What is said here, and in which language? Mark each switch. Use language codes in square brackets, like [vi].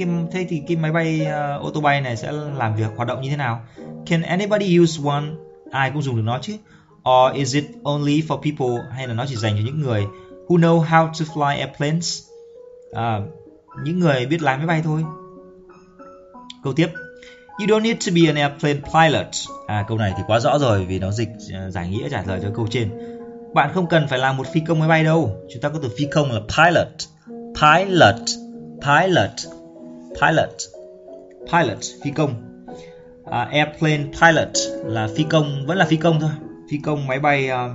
[vi] Thế thì cái máy bay ô tô bay này sẽ làm việc hoạt động như thế nào? [en] Can anybody use one? [vi] Ai cũng dùng được nó chứ? [en] Or is it only for people? [vi] Hay là nó chỉ dành cho những người [en] who know how to fly airplanes? [vi] Những người biết lái máy bay thôi. Câu tiếp. [en] You don't need to be an airplane pilot. [vi] Câu này thì quá rõ rồi vì nó dịch giải nghĩa trả lời cho câu trên. Bạn không cần phải là một phi công máy bay đâu. Chúng ta có từ phi công là pilot. [en] Pilot. Pilot. Pilot. Pilot. Phi công. [vi] Airplane pilot là phi công, vẫn là phi công thôi. Phi công máy bay.